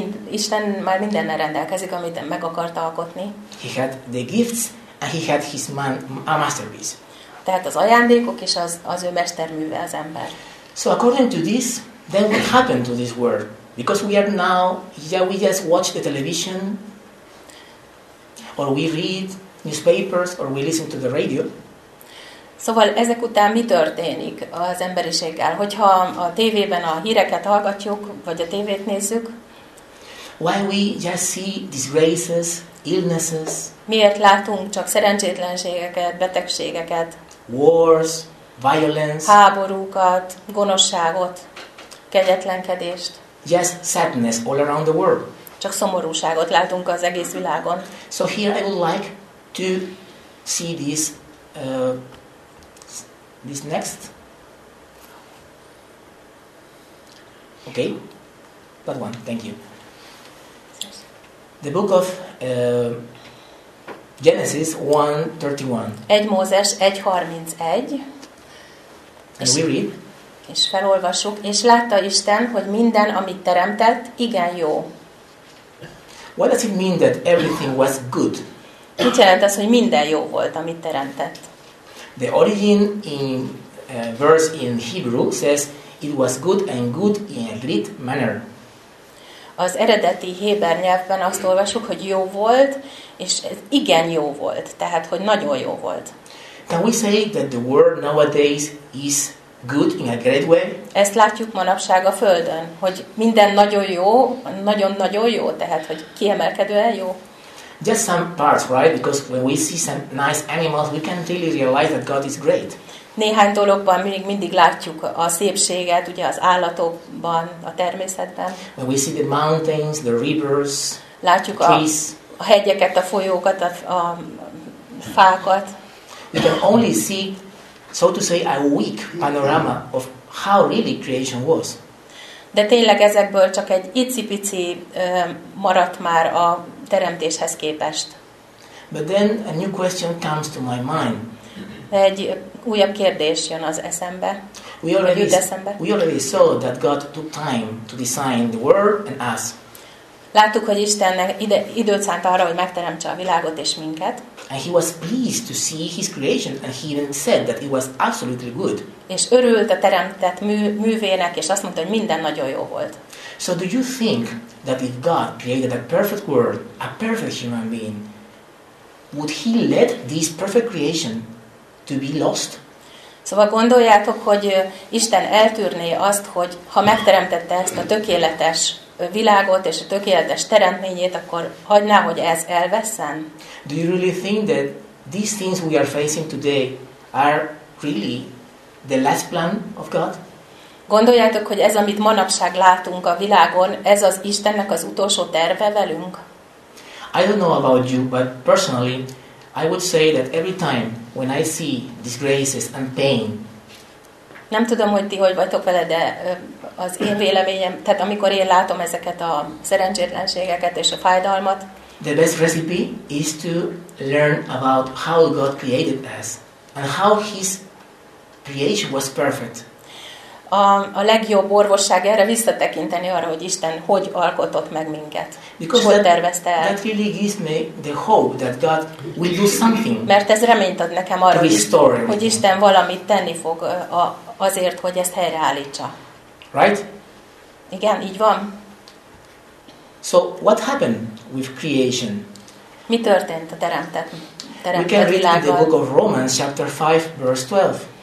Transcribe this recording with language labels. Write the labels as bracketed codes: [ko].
[hu] Isten már mindennel rendelkezik, amit meg akart alkotni. [en] He had the gifts and he had his masterpiece. [hu] Tehát az ajándékok és az ő mesterműve az ember. [en] So according to this, then what happened to this world? Because we are now, we just watch the television, or we read newspapers, or we listen to the radio. [hu] Szóval ezek után mi történik az emberiséggel, hogyha a tévében a híreket hallgatjuk, vagy a tévét nézzük? [en] Why we just see disgraces, illnesses? [hu] Miért látunk csak szerencsétlenségeket, betegségeket? [en] Wars, violence. [hu] Háborúkat, gonoszságot, kegyetlenkedést. [en] Just sadness all around the world. [hu] Csak szomorúságot látunk az egész világon. [en] So here I would like to see this this next. Okay, that one. Thank you. The book of Genesis 1:31. [hu] 1 Mózes 1:31. [en] And we read. [hu] És felolvassuk, és látta Isten, hogy minden, amit teremtett, igen jó. [en] What does it mean that everything was good? [hu] Mit jelent az, hogy minden jó volt, amit teremtett? [en] The origin in verse in Hebrew says it was good and good in a great manner. [hu] Az eredeti héber nyelvben azt olvasjuk, hogy jó volt, és ez igen jó volt, tehát hogy nagyon jó volt. [en] Can we say that the world nowadays is good in a great way? [hu] Ezt látjuk manapság a Földön, hogy minden nagyon jó, nagyon-nagyon jó, tehát, hogy kiemelkedően jó. [en] Just some parts, right? Because when we see some nice animals, we can really realize that God is great. [hu] Néhány dologban még mindig látjuk a szépséget, ugye az állatokban, a természetben. [en] When we see the mountains, the rivers. [hu] látjuk a hegyeket, a folyókat, a fákat. [en] We can only see, so to say, a weak panorama of how really creation was. [hu] De tényleg ezekből csak egy icipici maradt már a teremtéshez képest. [en] But then a new question comes to my mind. [hu] Egy újabb kérdés jön az eszembe. [en] We already saw that God took time to design the world and us. [hu] Láttuk, hogy Istennek időt szánt arra, hogy megteremtse a világot és minket. [en] And he was pleased to see his creation, and he even said that it was absolutely good. [hu] És örült a teremtett művének, és azt mondta, hogy minden nagyon jó volt. [en] So do you think that if God created a perfect world, a perfect human being, would he let this perfect creation to be lost? [hu] Szóval gondoljátok, hogy Isten eltűrné azt, hogy ha megteremtette ezt a tökéletes világot és a tökéletes teremtményét, akkor hagyná, hogy ez elvesszen? [en] Do you really think that these things we are facing today are really the last plan of God? [hu] Gondoljátok, hogy ez, amit manapság látunk a világon, ez az Istennek az utolsó terve velünk? [en] I don't know about you, but personally, I would say that every time when I see disgraces and pain. [hu] Nem tudom, hogy ti hogy vagytok vele, de az én véleményem, tehát amikor én látom ezeket a szerencsétlenségeket és a fájdalmat. [en] The best recipe is to learn about how God created us and how his creation was perfect. [hu] A legjobb orvosság erre visszatekinteni arra, hogy Isten hogy alkotott meg minket. [en] Because [hu] hogy tervezte el. [en] That really gives me the hope that God will do something. [hu] Mert ez reményt ad nekem arra, hogy Isten valamit tenni fog azért, hogy ezt helyreállítsa. [en] Right? [hu] Igen, így van. [en] So what happened with creation? [hu] Mi történt a teremtett világgal? [en] We can read in the book of Romans chapter 5 verse 12.